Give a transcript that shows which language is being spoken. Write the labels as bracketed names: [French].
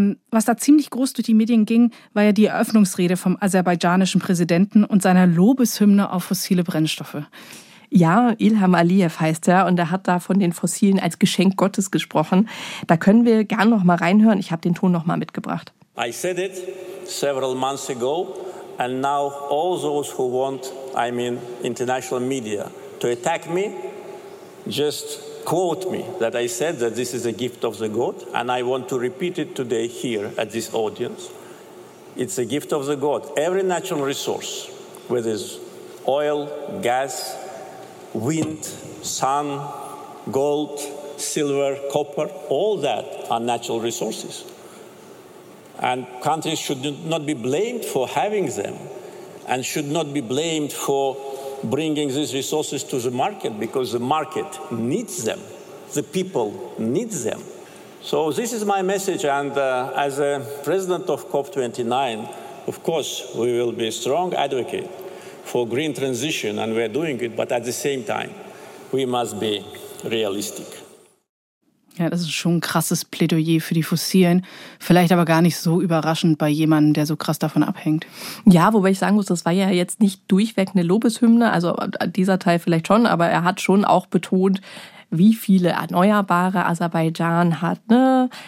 [German] Was da ziemlich groß durch die Medien ging, war ja die Eröffnungsrede vom aserbaidschanischen Präsidenten und seiner Lobeshymne auf fossile Brennstoffe. Ja, Ilham Aliyev heißt er und er hat da von den Fossilen als Geschenk Gottes gesprochen. Da können wir gern noch mal reinhören. Ich habe den Ton noch mal mitgebracht. [English] I said it several months ago. And now all those who want, I mean international media, to attack me, just quote me that I said that this is a gift of the God, and I want to repeat it today here at this audience. It's a gift of the God. Every natural resource, whether it's oil, gas, wind, sun, gold, silver, copper, all that are natural resources. And countries should not be blamed for having them and should not be blamed for bringing these resources to the market because the market needs them. The people need them. So this is my message. And as a president of COP29, of course, we will be a strong advocate for green transition and we're doing it. But at the same time, we must be realistic. [German] Ja, das ist schon ein krasses Plädoyer für die Fossilen. Vielleicht aber gar nicht so überraschend bei jemandem, der so krass davon abhängt. Ja, wobei ich sagen muss, das war ja jetzt nicht durchweg eine Lobeshymne. Also dieser Teil vielleicht schon, aber er hat schon auch betont, wie viele Erneuerbare Aserbaidschan hat. Ne?